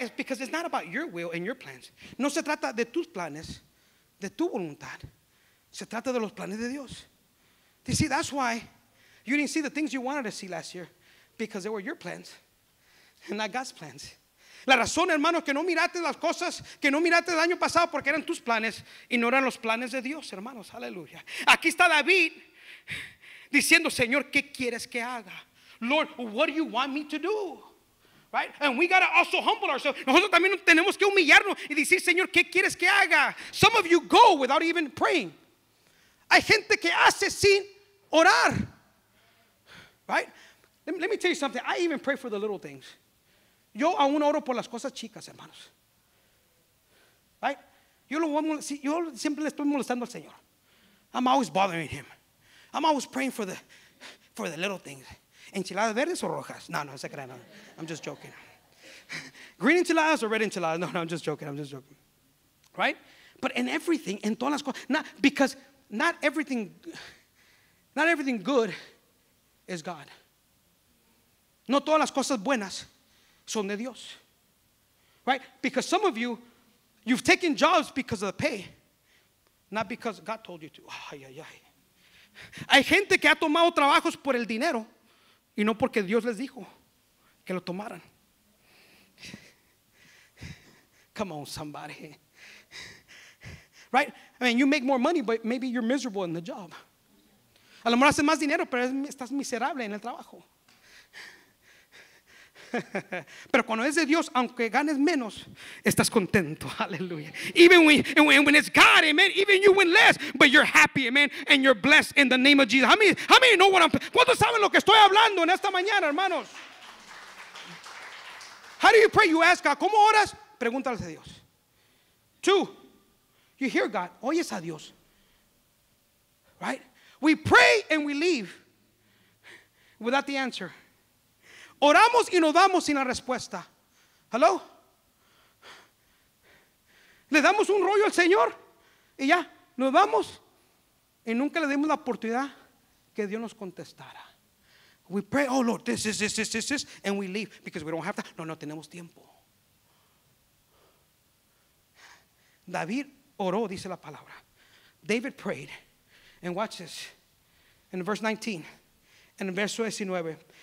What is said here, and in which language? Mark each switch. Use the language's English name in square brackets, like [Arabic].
[English] It's because it's not about your will and your plans. [Spanish] No se trata de tus planes, de tu voluntad. Se trata de los planes de Dios. [English] You see, that's why you didn't see the things you wanted to see last year because they were your plans. and not God's plans. [Spanish] La razón, hermanos, que no miraste las cosas, que no miraste el año pasado porque eran tus planes y no eran los planes de Dios, hermanos. Aleluya. Aquí está David diciendo, Señor, ¿qué quieres que haga? [English] Lord, what do you want me to do? Right? And we got to also humble ourselves. [Spanish] Nosotros también tenemos que humillarnos y decir, Señor, ¿qué quieres que haga? [English] Some of you go without even praying. [Spanish] Hay gente que hace sin orar. [English] Right? Let me tell you something. I even pray for the little things. [Spanish] Yo aún oro por las cosas chicas, hermanos. Right? Yo siempre le estoy molestando al Señor. [English] I'm always bothering him. I'm always praying for the little things. [Spanish] ¿Enchiladas verdes o rojas? No, no, no se crean. [English] No. I'm just joking. Green enchiladas or red enchiladas? No, no, I'm just joking. I'm just joking. Right? But in everything, [Spanish] en todas las cosas, [English] not everything good is God. [Spanish] No todas las cosas buenas son de Dios. [English] Right? Because some of you, you've taken jobs because of the pay, not because God told you to. Ay, ay, ay. [Spanish] Hay gente que ha tomado trabajos por el dinero y no porque Dios les dijo que lo tomaran. [English] Come on, somebody. Right? I mean, you make more money, but maybe you're miserable in the job. [Spanish] A lo mejor haces más dinero, pero estás miserable en el trabajo. Pero cuando es de Dios, aunque ganes menos, estás contento. [English] Aleluya. Even when it's God, amen. Even you win less, but you're happy, amen. And you're blessed in the name of Jesus. How many know what I'm? [Spanish] ¿Cuántos saben lo que estoy hablando en esta mañana, hermanos? [English] How do you pray? You ask God. [Spanish] ¿Cómo oras? Pregúntales a Dios. [English] Two, you hear God. [Spanish] Oyes a Dios. [English] Right? We pray and we leave without the answer. [Spanish] Oramos y nos vamos sin la respuesta. [English] Hello? [Spanish] Le damos un rollo al Señor y ya, nos vamos y nunca le dimos la oportunidad que Dios nos contestara. [English] We pray, oh Lord, this, and we leave because we don't have time. [Spanish] No, no tenemos tiempo. David oró, dice la palabra. [English] David prayed. And watch this. In verse 19, [Spanish] en verso 19.